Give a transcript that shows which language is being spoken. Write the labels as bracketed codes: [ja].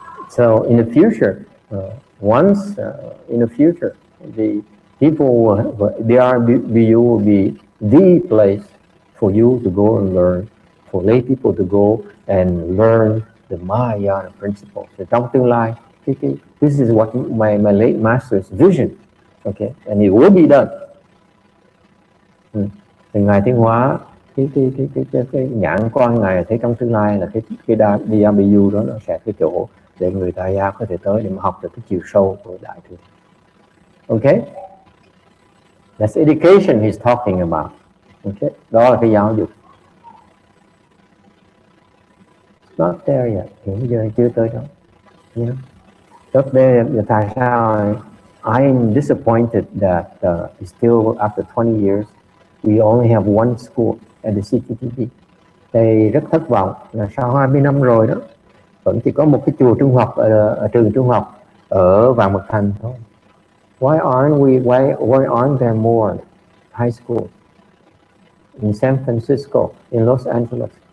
[en] So in the future, the people will be the place for you to go and learn, for lay people to go and learn the Mahayana principle. So [vi] trong tương lai, [en] this is what my late master's vision. Okay, and it will be done. [vi] Thì Ngài Tiến Hóa cái nhãn quan Ngài thấy trong tương lai là cái DRBU đó nó sẽ cái chỗ để người tại gia có thể tới để mà học được cái chiều sâu của Đại Thừa. Ok. [en] That's education he's talking about. Okay, [vi] đó là cái giáo dục. [en] Not there yet. Okay, [vi] bây giờ chưa tới đó. [en] Yeah. Not there yet. [vi] Tại sao? [en] I'm disappointed that still after 20 years, we only have one school at the CTTP. [vi] Thầy rất thất vọng là sau 20 năm rồi đó, vẫn chỉ có một cái chùa trung học ở trường trung học ở Vạn Mật Thành thôi. [en] Why aren't there more high schools in San Francisco, in Los Angeles?